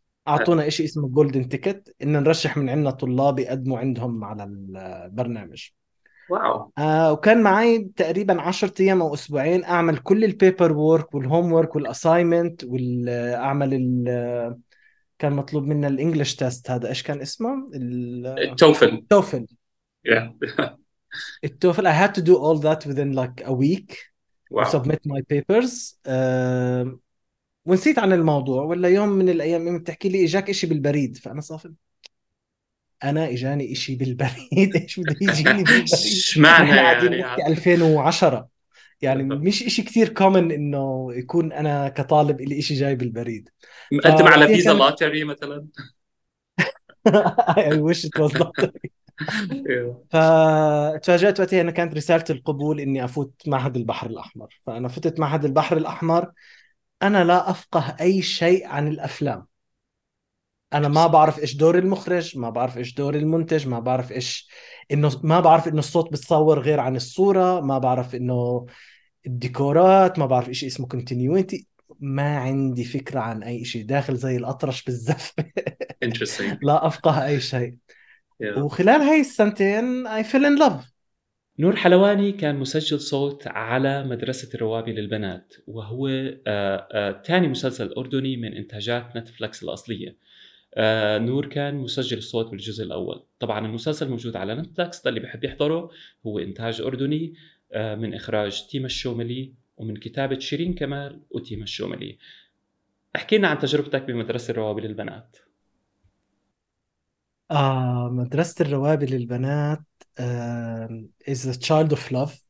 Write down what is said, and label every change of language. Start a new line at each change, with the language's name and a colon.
Arabic: أعطونا إشي اسمه جولدن تيكت، إن نرشح من عندنا طلاب يقدموا عندهم على البرنامج.
English: Wow.
Arabic: وكان معي تقريباً 10 أيام أو أسبوعين أعمل كل البيبر وورك والهوم وورك والأسايمنت، وأعمل كان مطلوب منا الإنجليش تيست، هذا إيش كان اسمه؟ التوفل. التوفل. التوفل.
English: I had to do all that within like a week. Wow. Submit my papers.
Arabic: ونسيت عن الموضوع، ولا يوم من الأيام إما بتحكي لي إجاك إشي بالبريد، فأنا صافي أنا إجاني إشي بالبريد، إيش بده يجيني بالبريد؟ إشمعنى إحنا قاعدين يعني؟ نحكي 2010، يعني مش إشي كثير كومن إنه يكون أنا كطالب إلي إشي جاي بالبريد. مقدم على فوقتها فيزا كان لاتري مثلاً.
English: I wish it was lottery.
Arabic: فتفاجأت وقتها إنه كانت رسالة القبول إني أفوت معهد البحر الأحمر، فأنا فتت معهد البحر الأحمر. أنا لا أفقه أي شيء عن الأفلام، أنا ما بعرف إيش دور المخرج، ما بعرف إيش دور المنتج، ما بعرف إيش إنه ما بعرف إنه الصوت بتصور غير عن الصورة، ما بعرف إنه الديكورات، ما بعرف إيش اسمه كونتينيوتي، ما عندي فكرة عن أي شيء، داخل زي الأطرش بالزفة.
English: Interesting.
Arabic: لا أفقه أي شيء.
English: Yeah.
Arabic: وخلال هاي السنتين
English: I fell in love.
Arabic: نور حلواني كان مسجل صوت على مدرسة الروابي للبنات، وهو تاني مسلسل أردني من إنتاجات نتفليكس الأصلية. نور كان مسجل صوت بالجزء الأول. طبعا المسلسل موجود على نتفليكس، اللي بحب يحضره. هو إنتاج أردني من إخراج تيما الشوملي ومن كتابة شيرين كمال وتيما الشوملي. احكي لنا عن تجربتك بمدرسة الروابي للبنات.
English: مدرسة الروابي للبنات is a child of love.